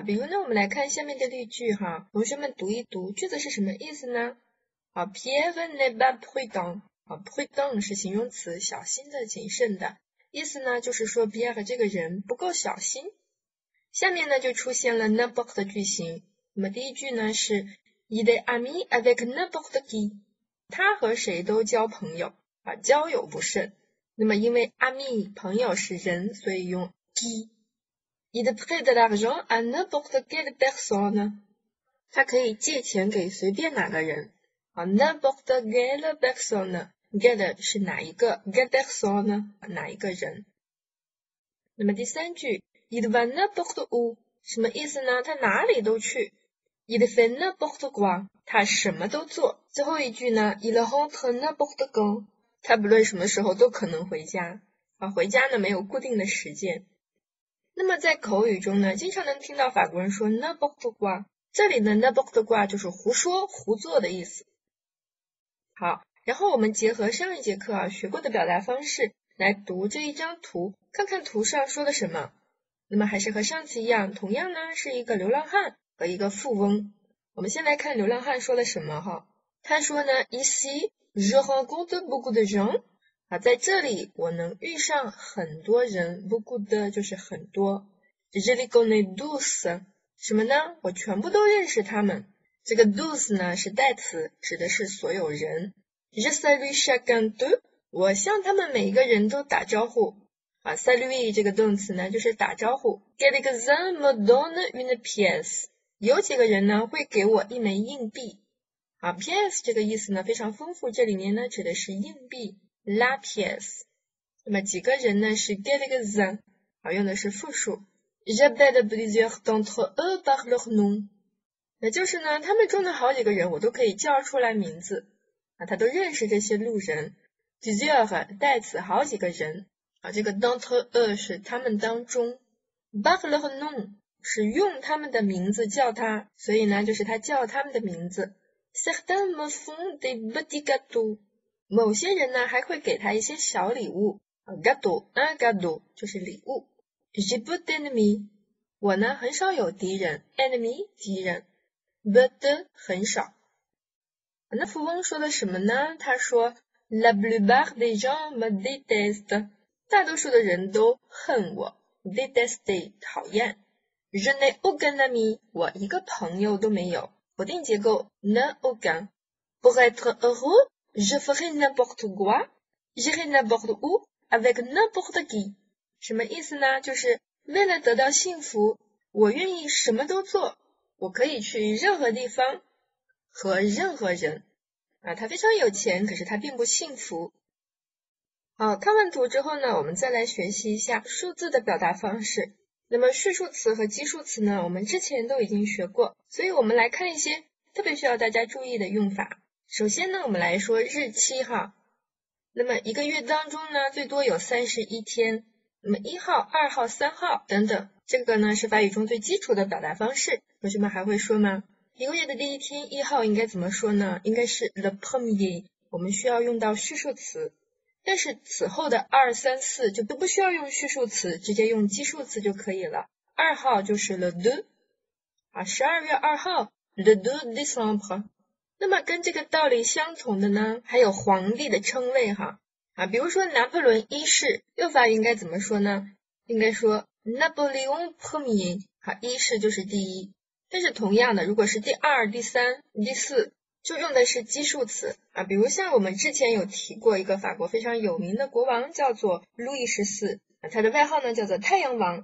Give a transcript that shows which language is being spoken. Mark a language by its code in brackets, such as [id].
[zh] 比如呢，我们来看下面的例句哈，同学们读一读，句子是什么意思呢？ [fr] Pierre n'est pas prudent。 [zh] Prudent 是形容词，小心的、谨慎的。意思呢，就是说 Pierre 这个人不够小心。下面呢，就出现了 n'importe 的句型。那么第一句呢是。 [fr] Il est ami avec n'importe qui. [zh] 他和谁都交朋友啊，交友不慎。那么因为 ami 朋友是人，所以用 qui. [fr] Il prête de l'argent à n'importe quelle personne. [zh] 他可以借钱给随便哪个人啊 ， [fr] n'importe quelle personne. [zh] Quelle 是哪一个 ？ [fr] Quelle personne [zh] 哪一个人？那么第三句 ， [fr] Il va n'importe où [zh] 什么意思呢？他哪里都去。 [fr] Il fait n'importe quoi， [zh] 他什么都做。最后一句呢 ， [fr] Il rentre n'importe quand， [zh] 他不论什么时候都可能回家。啊，回家呢没有固定的时间。那么在口语中呢，经常能听到法国人说 [fr] n'importe quoi， [zh] 这里的 n'importe quoi 就是胡说、胡做的意思。好，然后我们结合上一节课啊学过的表达方式来读这一张图，看看图上说的什么。那么还是和上次一样，同样呢是一个流浪汉。和一个富翁，我们先来看流浪汉说了什么哈。他说呢 ， [fr] Ici je rencontre beaucoup de gens， [zh] 啊，在这里我能遇上很多人 ，beaucoup de 就是很多 ， [fr] je les connais tous， [zh] 什么呢？我全部都认识他们。这个 tous 呢是代词，指的是所有人。 [fr] Je salue chacun d'eux， [zh] 我向他们每一个人都打招呼。啊 ，salue 这个动词呢就是打招呼。 [fr] Quelques uns me donnent une pièce。 [zh] 有几个人呢会给我一枚硬币啊 ，pièce 这个意思呢非常丰富，这里面呢指的是硬币 ，la pièce。那么几个人呢是 [fr] quelques uns [zh] 啊，用的是复数。 [fr] J'appelle plusieurs d'entre eux par leur nom， [zh] 那就是呢他们中的好几个人我都可以叫出来名字啊，他都认识这些路人。 Plusieurs 代词好几个人啊，这个 [fr] d'entre eux [zh] 是他们当中 ， [fr] par leur nom。 [zh] 是用他们的名字叫他，所以呢就是他叫他们的名字。 [fr] Certains me font des petits gâteaux， [zh] 某些人呢还会给他一些小礼物。 Gâteau， un gâteau 就是礼物。 [fr] J'ai pas d'ennemi， [zh] 我呢很少有敌人。 Ennemi 敌人 ，but 很少。那富翁说的什么呢？他说 [fr] La plupart des gens me détestent， [zh] 大多数的人都恨我。 Détesté 讨厌。 [fr] Je n'ai aucun ami， [zh] 我一个朋友都没有。否定结构 [fr] n'ai aucun。 Pour être heureux, je ferai n'importe quoi, j'irai n'importe où avec n'importe qui。 [zh] 什么意思呢？就是为了得到幸福，我愿意什么都做，我可以去任何地方和任何人。啊，他非常有钱，可是他并不幸福。好，看完图之后呢，我们再来学习一下数字的表达方式。那么序数词和基数词呢，我们之前都已经学过，所以我们来看一些特别需要大家注意的用法。首先呢，我们来说日期哈。那么一个月当中呢，最多有31天。那么1号、2号、3号等等，这个呢是法语中最基础的表达方式。同学们还会说吗？一个月的第一天1号应该怎么说呢？应该是 [fr] le premier， [zh] 我们需要用到序数词。但是此后的二三四就都不需要用序数词，直接用基数词就可以了。二号就是 [fr] le deux， [zh] 啊，12月2号 [fr] le deux décembre。 [zh] 那么跟这个道理相同的呢，还有皇帝的称谓哈，啊，比如说拿破仑一世，用法应该怎么说呢？应该说 [fr] Napoléon premier， [zh] 啊，一世就是第一。但是同样的，如果是第二、第三、第四。就用的是基数词啊，比如像我们之前有提过一个法国非常有名的国王叫做路易十四，啊，他的外号呢叫做太阳王。